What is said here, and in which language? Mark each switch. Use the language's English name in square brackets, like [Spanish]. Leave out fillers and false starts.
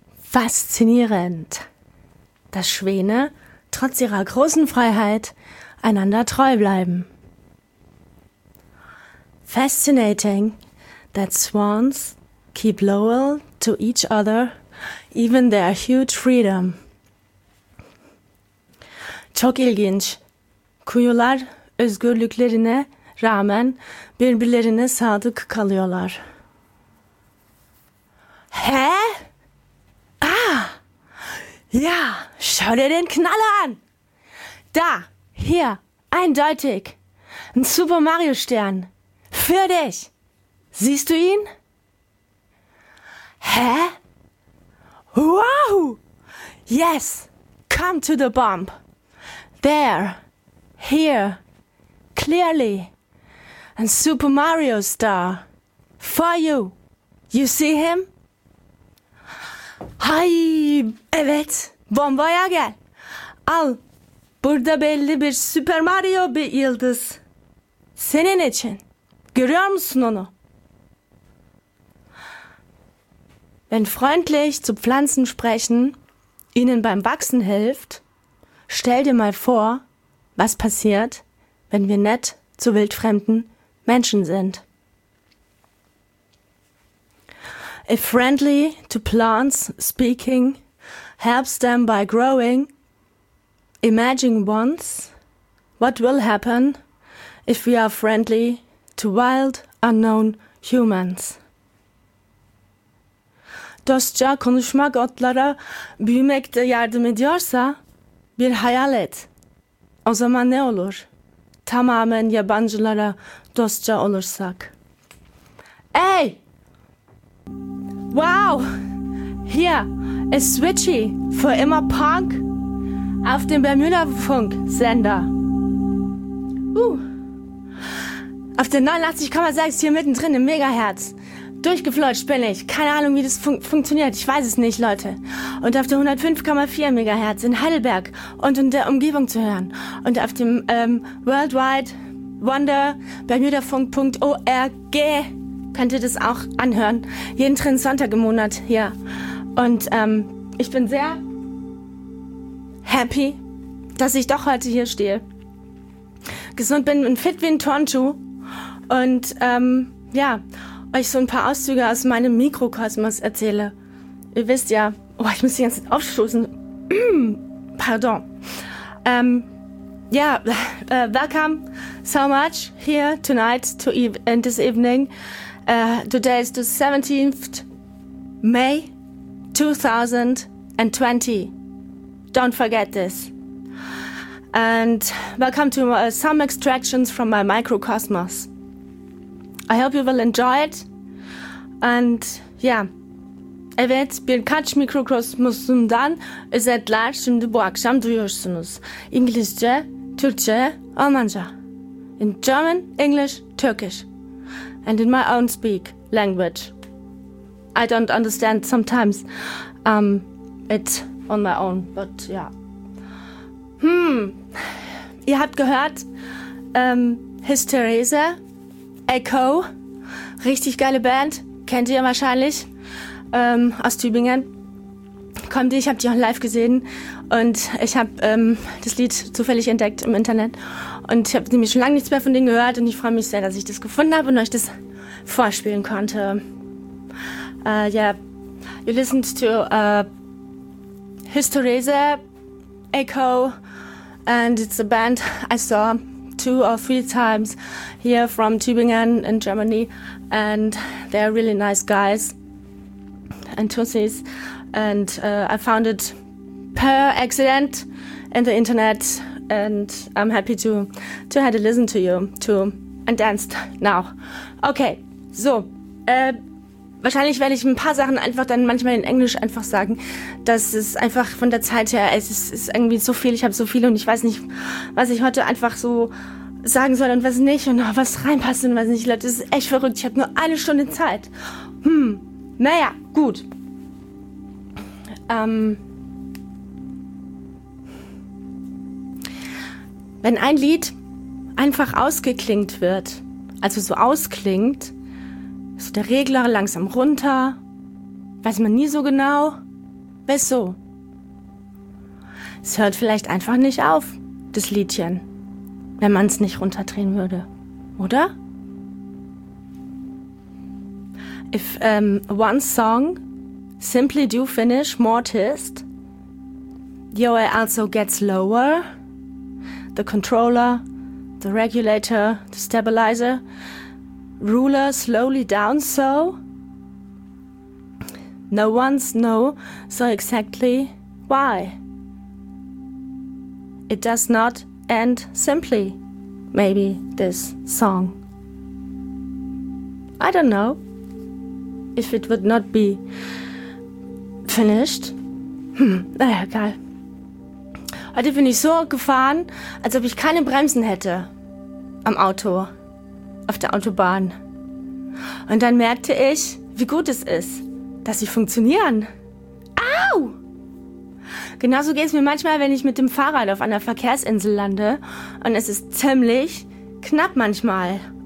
[German] Faszinierend, dass Schwäne trotz ihrer großen Freiheit einander treu bleiben. [English] Fascinating that swans keep loyal to each other, even their huge freedom. [Turkish] Çok ilginç. Kuyular özgürlüklerine rağmen birbirlerine sadık kalıyorlar. Hä? Ah! [German] Ja, schau dir den Knaller an! Da, hier, eindeutig. Ein Super Mario Stern. Für dich. Siehst du ihn? Hä? Wow! [English] Yes, come to the bump. There, here, clearly, a Super Mario star, for you. You see him? [Turkish] Hay, evet, bombaya gel. Al, burada belli bir Super Mario bir yıldız. Senin için, görüyor musun onu? [German] Wenn freundlich zu Pflanzen sprechen, ihnen beim Wachsen hilft, stell dir mal vor, was passiert, wenn wir nett zu wildfremden Menschen sind. [English] If friendly to plants speaking helps them by growing, imagine once what will happen if we are friendly to wild unknown humans. [Turkish] Dostça konuşmak otlara büyümekte yardım ediyorsa, bir hayal et. O zaman ne olur? Tamamen yabancılara dostça olursak. Hey! Wow! [German] Hier, es Switchy, für immer Punk, auf dem Bermuda-Funk-Sender. Auf der 89,6 hier mittendrin im Megahertz. Durchgeflutscht bin ich. Keine Ahnung, wie das funktioniert. Ich weiß es nicht, Leute. Und auf der 105,4 Megahertz in Heidelberg und in der Umgebung zu hören. Und auf dem Worldwide Wonder Bermudafunk.org könnt ihr das auch anhören. Jeden dritten Sonntag im Monat hier. Und ich bin sehr happy, dass ich doch heute hier stehe. Gesund bin und fit wie ein Turnschuh. Und ja, euch so ein paar Auszüge aus meinem Mikrokosmos erzähle. Ihr wisst ja, oh, ich muss die ganze Zeit aufstoßen. Pardon. [English] Welcome so much here tonight to and this evening. Today is the 17th May 2020. Don't forget this. And welcome to some extractions from my microcosmos. I hope you will enjoy it. And yeah, [Turkish] evet, birkaç mikrokosmosumdan özetler şimdi bu akşam duyuyorsunuz. İngilizce, Türkçe, Almanca. [English] In German, English, Turkish. And in my own speak language. I don't understand sometimes it on my own, but yeah. [German] Ihr habt gehört, Hysterese, Echo, richtig geile Band. Kennt ihr wahrscheinlich aus Tübingen. Kommt ihr, ich habe die auch live gesehen und ich habe das Lied zufällig entdeckt im Internet und ich habe nämlich schon lange nichts mehr von denen gehört und ich freue mich sehr, dass ich das gefunden habe und euch das vorspielen konnte. [English] You listened to Hysterese, Echo, and it's a band I saw two or three times here from Tübingen in Germany. And they're really nice guys and tussies. And I found it per accident in the internet. And I'm happy to have to listen to you too and danced now. Okay, so. [German] Wahrscheinlich werde ich ein paar Sachen einfach dann manchmal in Englisch einfach sagen. Das ist einfach von der Zeit her, es ist irgendwie so viel. Ich habe so viel und ich weiß nicht, was ich heute einfach so sagen soll und was nicht und was reinpasst und was nicht. Leute, das ist echt verrückt. Ich habe nur eine Stunde Zeit. Naja, gut. Wenn ein Lied einfach ausgeklingt wird, also so ausklingt, so der Regler langsam runter, weiß man nie so genau, Wieso? Es hört vielleicht einfach nicht auf, das Liedchen, wenn man es nicht runterdrehen würde, oder? [English] If one song simply do finish mortised, the OA also gets lower, the controller, the regulator, the stabilizer, ruler slowly down, so no one's know so exactly why. It does not end simply, maybe, this song. I don't know if it would not be finished. [German] Naja, geil. Heute bin ich so gefahren, als ob ich keine Bremsen hätte am Auto, auf der Autobahn. Und dann merkte ich, wie gut es ist, dass sie funktionieren. Au! Genauso geht es mir manchmal, wenn ich mit dem Fahrrad auf einer Verkehrsinsel lande und es ist ziemlich knapp manchmal.